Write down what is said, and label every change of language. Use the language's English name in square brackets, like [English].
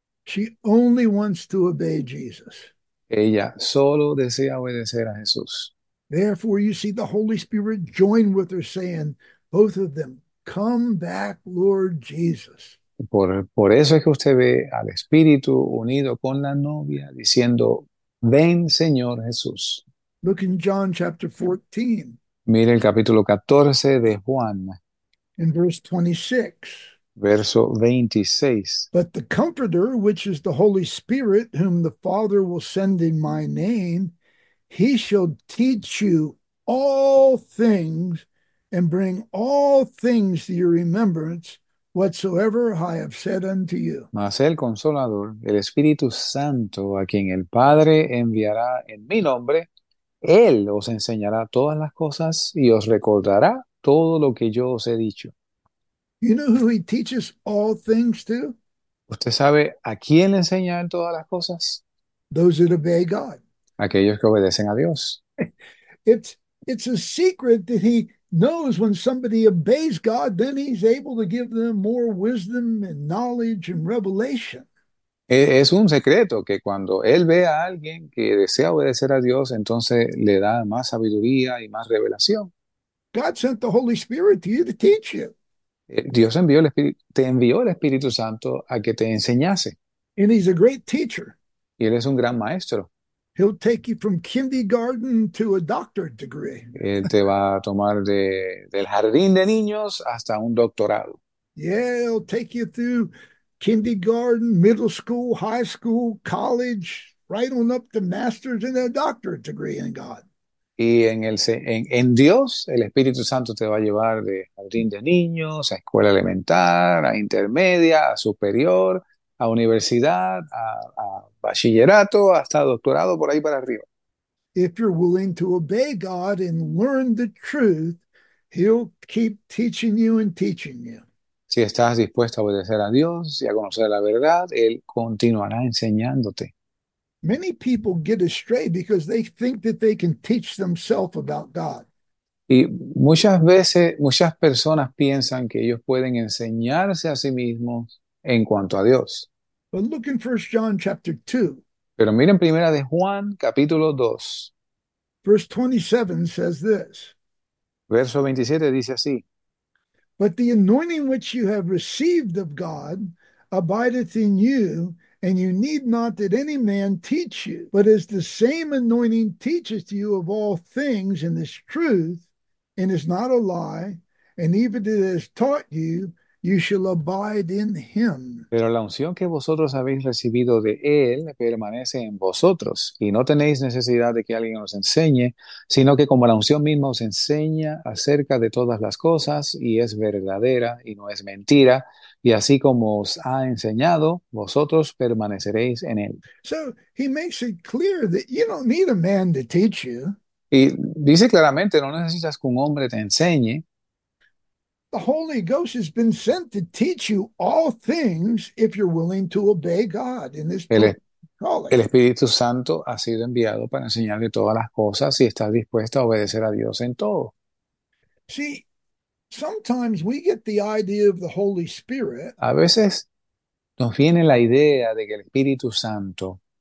[English] She only wants to obey Jesus. [Spanish] Ella solo desea obedecer a Jesús. [English] Therefore, you see the Holy Spirit join with her saying, both of them, come back, Lord Jesus. [Spanish] Por eso es que usted ve al Espíritu unido con la novia diciendo, ven, Señor Jesús. [English] Look in John chapter 14, [Spanish] Mire el capítulo 14 de Juan, [English] in verse 26. [Spanish] verso 26. [English] But the Comforter, which is the Holy Spirit, whom the Father will send in my name, he shall teach you all things and bring all things to your remembrance, whatsoever I have said unto you. [Spanish] Mas el Consolador, el Espíritu Santo, a quien el Padre enviará en mi nombre, Él os enseñará todas las cosas y os recordará todo lo que yo os he dicho. [English] You know who he teaches all things to? [Spanish] ¿Usted sabe a quién le enseña Él todas las cosas? [English] Those that obey God. [Spanish] Aquellos que obedecen a Dios. [English] It's a secret that he knows when somebody obeys God, then he's able to give them more wisdom and knowledge and revelation. [Spanish] Es un secreto que cuando él ve a alguien que desea obedecer a Dios, entonces le da más sabiduría y más revelación. [English] God sent the Holy Spirit to you to teach you. [Spanish] Dios envió el Espíritu, te envió el Espíritu Santo a que te enseñase. [English] And he's a great teacher. [Spanish] Y él es un gran maestro. [English] He'll take you from kindergarten to a doctorate degree. [Spanish] Él te va a tomar del jardín de niños hasta un doctorado. [English] Yeah, he'll take you through kindergarten, middle school, high school, college, right on up to master's and a doctorate degree in God. [Spanish] Y en Dios, el Espíritu Santo te va a llevar de jardín de niños, a escuela elemental, a intermedia, a superior, a universidad, a bachillerato, hasta doctorado, por ahí para arriba. [English] If you're willing to obey God and learn the truth, he'll keep teaching you and teaching you. [Spanish] Si estás dispuesto a obedecer a Dios y a conocer la verdad, Él continuará enseñándote. [English] Many people get astray because they think that they can teach themselves about God. [Spanish] Y muchas veces, muchas personas piensan que ellos pueden enseñarse a sí mismos en cuanto a Dios. [English] But look in 1 John chapter 2. [Spanish] Pero miren primera de Juan, capítulo 2. [English] Verse 27 says this, [Spanish] Verso 27 dice así. [English] but the anointing which you have received of God abideth in you, and you need not that any man teach you. But as the same anointing teacheth you of all things in this truth, and is not a lie, and even it has taught you, you shall abide in him. [Spanish] Pero la unción que vosotros habéis recibido de Él permanece en vosotros y no tenéis necesidad de que alguien os enseñe, sino que como la unción misma os enseña acerca de todas las cosas y es verdadera y no es mentira, y así como os ha enseñado, vosotros permaneceréis en Él. [English] So he makes it clear that you don't need a man to teach you. [Spanish] Y dice claramente, no necesitas que un hombre te enseñe. [English] The Holy Ghost has been sent to teach you all things if you're willing to obey God in this [Spanish] El [English] book. Holy. [Spanish] El Espíritu Santo ha sido enviado para enseñarle todas las cosas y está dispuesto a obedecer a Dios en todo. [English] See, sometimes we get the idea of the Holy Spirit. [Spanish] A veces nos viene la idea de que el Espíritu Santo